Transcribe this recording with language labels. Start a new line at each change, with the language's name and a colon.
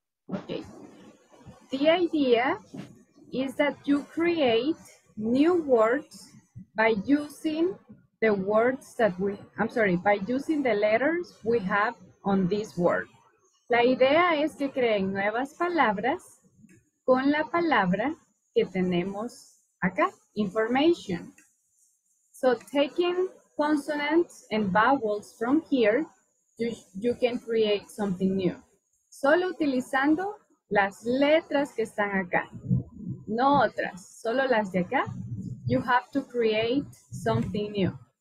English: Okay. The idea is that you create new words by using the words that we, I'm sorry, by using the letters we have on this word.
Spanish: La idea es que creen nuevas palabras con la palabra que tenemos acá, information.
English: So taking consonants and vowels from here, you can create something new.
Spanish: Solo utilizando las letras que están acá, no otras, solo las de acá,
English: you have to create something new.